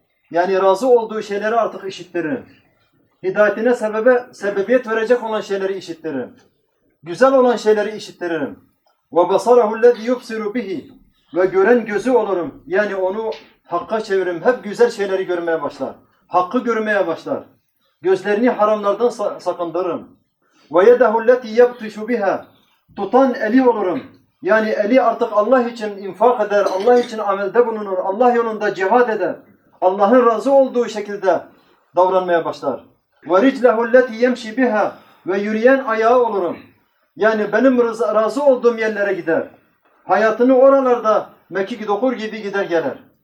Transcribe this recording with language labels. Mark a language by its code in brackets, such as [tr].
[tr] Yani razı olduğu şeyleri artık işittiririm. Hidayetine sebebiyet verecek olan şeyleri işittiririm. Güzel olan şeyleri işittiririm. [ar] وَبَصَرَهُ الَّذِي يُبْصِرُ بِهِ [tr] Ve gören gözü olurum. Yani onu hakka çeviririm. Hep güzel şeyleri görmeye başlar. Hakkı görmeye başlar. Gözlerini haramlardan sakındırırım. [ar] وَيَدَهُ الَّتِي يَبْتُشُ بِهَا [tr] Tutan eli olurum. Yani eli artık Allah için infak eder, Allah için amelde bulunur, Allah yolunda cihad eder. Allah'ın razı olduğu şekilde davranmaya başlar. [ar] وَرِجْلَهُ الَّتِي يَمْشِ بِهَا [tr] Ve yürüyen ayağı olurum. Yani benim razı olduğum yerlere gider. Hayatını oralarda mekik dokur gibi gider gelir.